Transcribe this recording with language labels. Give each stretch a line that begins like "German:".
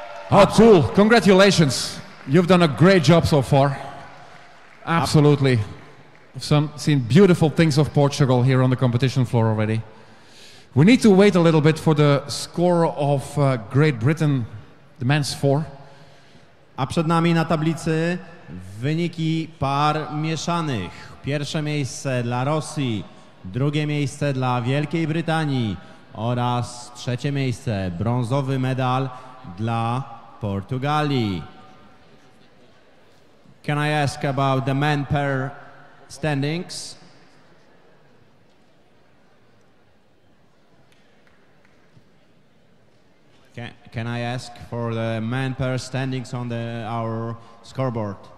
English: Oh, cool. Congratulations. You've done a great job so far. Absolutely. I've seen beautiful things of Portugal here on the competition floor already. We need to wait a little bit for the score of Great Britain, the men's four.
Polish: A przed nami na tablicy wyniki par mieszanych. Pierwsze miejsce dla Rosji, drugie miejsce dla Wielkiej Brytanii oraz trzecie miejsce, brązowy medal dla Portugalii.
English: Can I ask about the men pair standings? Can I ask for the man pair standings on our scoreboard?